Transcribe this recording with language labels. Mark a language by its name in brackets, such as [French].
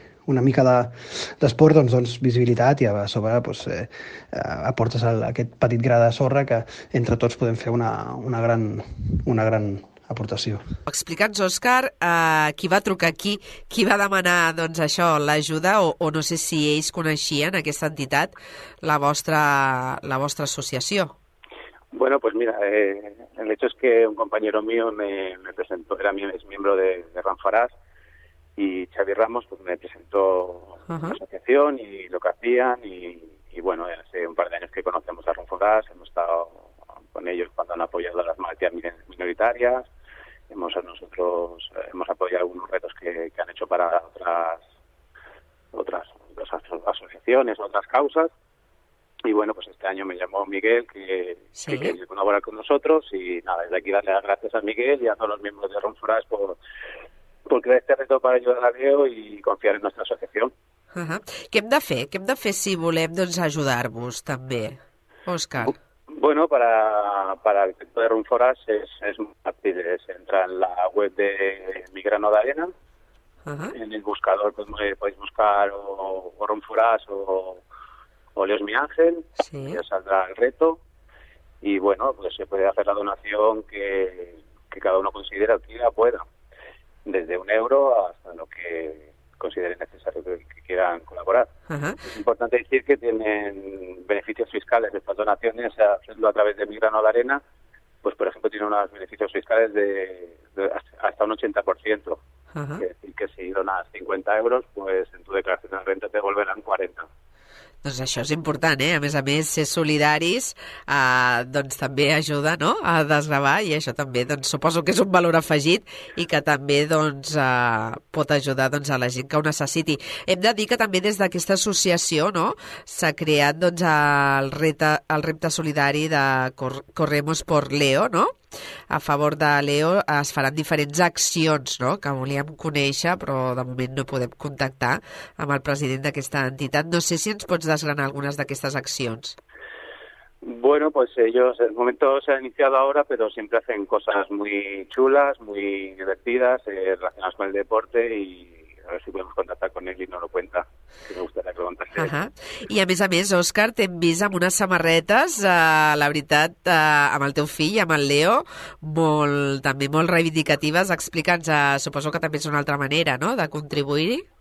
[Catalan] una mica d'esport, doncs, visibilitat, i a sobre, doncs, aportes aquest petit gra de sorra que entre tots podem fer una gran aportació. Explica'ns, Òscar, qui va trucar aquí, qui va demanar, doncs, això, l'ajuda, o no sé si ells coneixien aquesta entitat, la vostra associació. [Spanish] Bueno, pues mira, el hecho es que un compañero mío me presentó, es miembro de Run for Us, y Xavi Ramos, pues, me presentó la asociación y lo que hacían, y bueno, hace un par de años que conocemos a Run for Us, hemos estado con ellos cuando han apoyado a las maletías minoritarias. Hemos apoyado algunos retos que han hecho para otras asociaciones, otras causas. Y bueno, pues este año me llamó Miguel, que quería colaborar con nosotros. Y nada, desde aquí darle las gracias a Miguel y a todos los miembros de Run for Us por crear este reto para ayudar a Leo y confiar en nuestra asociación. [Catalan] Què hem de fer? Què hem de fer si volem doncs, ajudar-vos també, Òscar? [Spanish] Bueno, para el sector de Run for Us es muy fácil, es entrar en la web de Mi Grano de Arena, en el buscador podéis buscar o Run for Us o Leo es mi ángel, ya saldrá el reto, y bueno, pues se puede hacer la donación que cada uno considera que ya pueda, desde un euro hasta lo que consideren necesario que quieran colaborar. Es importante decir que tienen beneficios fiscales de estas donaciones, hacerlo a través de Mi Grano de Arena, pues por ejemplo tiene unos beneficios fiscales de hasta un 80%. Es decir, que si donas 50 euros, pues en tu declaración de renta te devolverán 40. [Catalan] Doncs això és important, eh? A més, ser solidaris doncs també ajuda, no?, a desgravar, i això també doncs, suposo que és un valor afegit i que també doncs, pot ajudar doncs, a la gent que ho necessiti. Hem de dir que també des d'aquesta associació, no?, s'ha creat doncs, el repte solidari de Corremos por Leo, no?, a favor de Leo es faran diferents accions, no?, que volíem conèixer, però de moment no podem contactar amb el president d'aquesta entitat. No sé si ens pots desgranar algunes d'aquestes accions. [Spanish] Bueno, pues ellos, el momento se ha iniciado ahora, pero siempre hacen cosas muy chulas, muy divertidas, relacionadas con el deporte, y a ver si podemos contactar con él y no lo cuenta, que me gustaría que lo contaste. [Catalan] I a més, Òscar, t'hem vist amb unes samarretes, la veritat, amb el teu fill, amb el Leo, molt, també molt reivindicatives. Explica'ns, suposo que també és una altra manera, no?, de contribuir-hi.